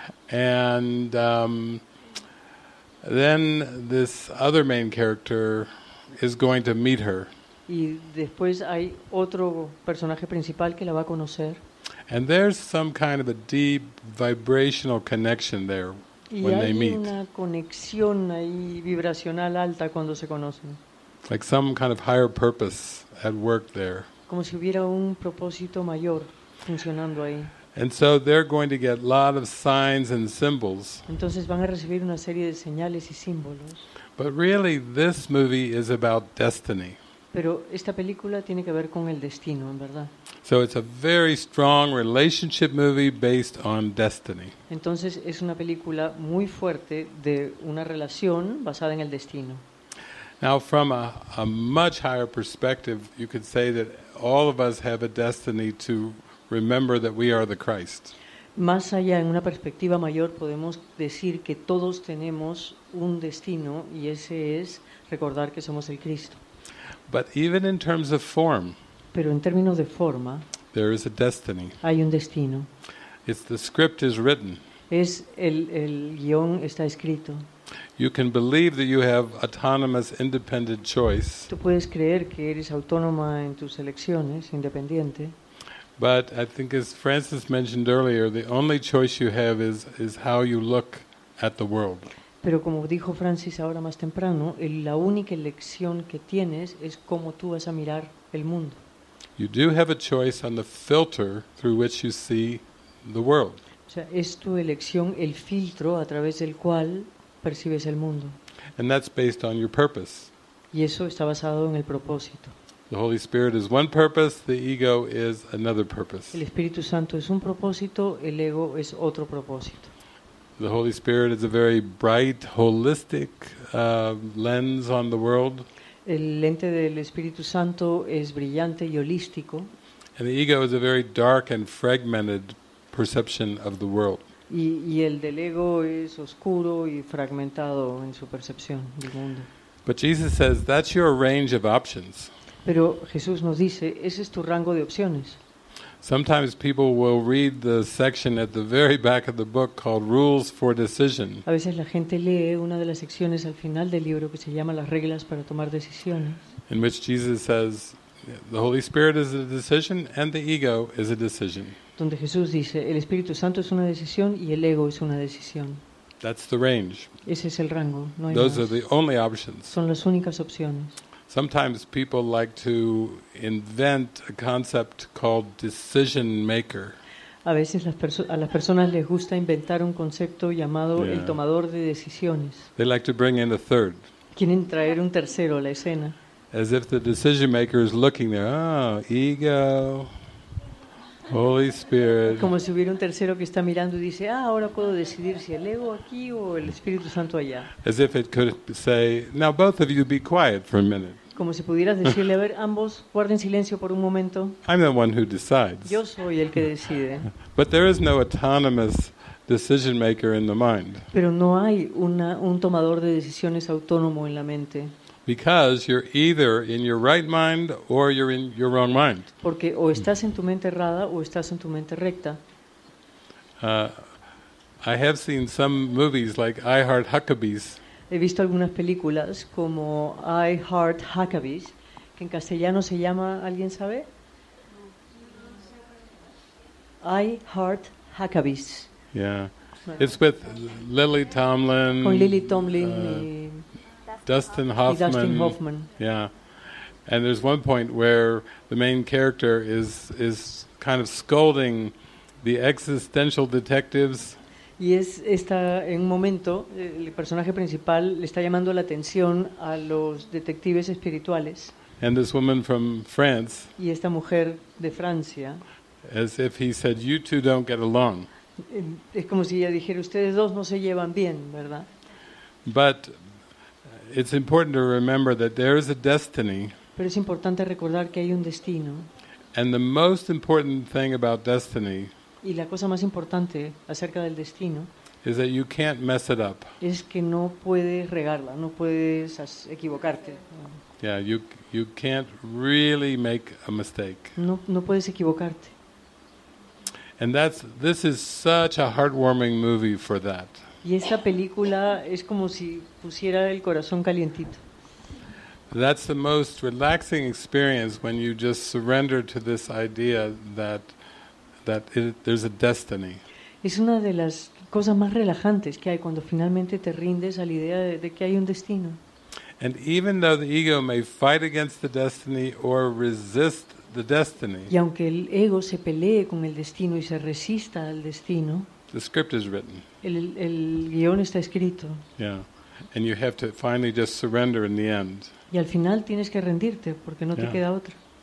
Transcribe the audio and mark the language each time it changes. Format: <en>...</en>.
<en>And then this other main character is going to meet her.</en> <es>Y después hay otro personaje principal que la va a conocer.</es> <en>And there's some kind of a deep vibrational connection there when they meet.</en> <es>Y hay una conexión ahí vibracional alta cuando se conocen.</es> <en>Like some kind of higher purpose at work there.</en> <es>Como si hubiera un propósito mayor funcionando ahí.</es> <en>And so they're going to get a lot of signs and symbols.</en> <es>Entonces van a recibir una serie de señales y símbolos.</es> <en>But really, this movie is about destiny.</en> <es>Pero esta película tiene que ver con el destino, en verdad.</es> <en>So it's a very strong relationship movie based on destiny.</en> <es>Entonces es una película muy fuerte de una relación basada en el destino.</es> <en>Now, from a much higher perspective, you could say that all of us have a destiny to remember that we are the Christ.</en> <es>Más allá, en una perspectiva mayor, podemos decir que todos tenemos un destino, y ese es recordar que somos el Cristo.</es> <en>But even in terms of form,</en> <es>pero en términos de forma,</es> <en>there is a destiny.</en> <es>Hay un destino.</es> <en>It's the script is written.</en> <es>Es el guión está escrito.</es> <en>You can believe that you have autonomous, independent choice.</en> <es>Tú puedes creer que eres autónoma en tus elecciones, independiente.</es> <en>But I think, as Francis mentioned earlier, the only choice you have is how you look at the world.</en> <es>Pero como dijo Francis ahora más temprano, la única elección que tienes es cómo tú vas a mirar el mundo.</es> <en>You do have a choice on the filter through which you see the world.</en> <es>O sea, es tu elección el filtro a través del cual percibes el mundo.</es> <en>And that's based on your purpose.</en> <es>Y eso está basado en el propósito.</es> <en>The Holy Spirit is one purpose, the ego is another purpose.</en> <es>El Espíritu Santo es un propósito, el ego es otro propósito.</es> <en>The Holy Spirit is a very bright, holistic lens on the world.</en> <es>El lente del Espíritu Santo es brillante y holístico.</es> <en>And the ego is a very dark and fragmented perception of the world.</en> <es>Y el del ego es oscuro y fragmentado en su percepción del mundo.</es> <en>But Jesus says that's your range of options.</en> <es>Pero Jesús nos dice, ese es tu rango de opciones.</es> <en>Sometimes people will read the section at the very back of the book called Rules for Decision.</en> <es>A veces la gente lee una de las secciones al final del libro que se llama Las reglas para tomar decisiones.</es> <en>In which Jesus says the Holy Spirit is a decision and the ego is a decision.</en> <es>Donde Jesús dice, el Espíritu Santo es una decisión y el ego es una decisión.</es> <en>That's the range.</en> <es>Ese es el rango, no hay</es> <en>Those</en> <es>más.</es> <en>Those are the only options.</en> <es>Son las únicas opciones.</es> <en>Sometimes people like to invent a concept called decision maker.</en> <es>A veces a las personas les gusta inventar un concepto llamado el tomador de decisiones.</es> <en>They like to bring in a third.</en> <es>Quieren traer un tercero a la escena.</es> <en>As if the decision maker is looking there. Ego, Holy Spirit.</en> <es>Como si hubiera un tercero que está mirando y dice, ahora puedo decidir si el ego aquí o el Espíritu Santo allá.</es> <en>As if it could say, now both of you be quiet for a minute.</en> <es>Como si pudieras decirle, a ver, ambos guarden silencio por un momento.</es> <en>I'm the one who decides.</en> <es>Yo soy el que decide.</es> <en>But there is no autonomous decision maker in the mind.</en> <es>Pero no hay un tomador de decisiones autónomo en la mente.</es> <en>Because you're either in your right mind or you're in your wrong mind.</en> <es>Porque o estás en tu mente errada o estás en tu mente recta.</es> <en>I have seen some movies like I Heart Huckabees.</en> <es>He visto algunas películas como I Heart Huckabees, que en castellano se llama, ¿alguien sabe?</es> <en>I Heart Huckabees. Yeah. It's with Lily Tomlin.</en> <es>Con Lily Tomlin</es> <en>Dustin Hoffman.</en> <es>Dustin Hoffman.</es> <en>Yeah. And there's one point where the main character is kind of scolding the existential detectives.</en> <es>Y está en un momento, el personaje principal le está llamando la atención a los detectives espirituales.</es> <en>And this woman from France.</en> <es>Y esta mujer de Francia.</es> <en>As if he said, you two don't get along.</en> <es>Es como si ella dijera, ustedes dos no se llevan bien, ¿verdad?</es> <en>But it's important to remember that there is a destiny.</en> <es>Pero es importante recordar que hay un destino.</es> <en>And the most important thing about destiny.</en> <es>Y la cosa más importante acerca del destino.</es> <en>Is that you can't mess it up.</en> <es>Es que no puedes regarla, no puedes equivocarte.</es> <en>Yeah, you can't really make a mistake.</en> <es>No puedes equivocarte.</es> <en>And that's this is such a heartwarming movie for that.</en> <es>Y esta película es como si pusiera el corazón calientito.</es> <en>That's the most relaxing experience when you just surrender to this idea that there's a destiny.</en> <es>Es una de las cosas más relajantes que hay cuando finalmente te rindes a la idea de que hay un destino.</es> <en>And even though the ego may fight against the destiny or resist the destiny.</en> <es>Y aunque el ego se pelee con el destino y se resista al destino.</es> <en>The script is written.</en> <es>El guion está escrito.</es> <en>Yeah. And you have to finally just surrender in the end.</en> <es>Y al final tienes que rendirte porque no te queda otra.</es>